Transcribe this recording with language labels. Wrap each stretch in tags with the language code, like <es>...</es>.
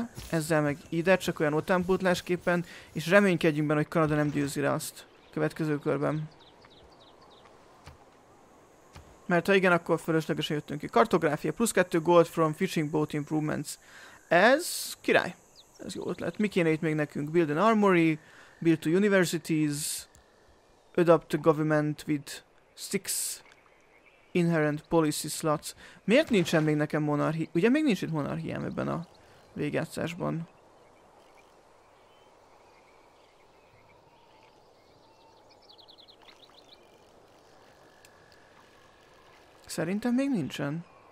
<hu>Ezzel meg ide, csak olyan utánpótlásképpen. És reménykedjünk benne, hogy Kanada nem győzi le azt a következő körben. Mert ha igen, akkor fölöslegesen jöttünk ki. Kartográfia, plusz 2 gold from fishing boat improvements. Ez király. Ez jó ötlet. Mi kéne itt még nekünk?</hu> <en>Build an armory, build to universities, adopt government with 6 inherent policy slots.</en> <hu>Miért nincsen még nekem monarchi? Ugye még nincs itt monarchiám ebben a végjátszásban. Szerintem még nincsen.</hu>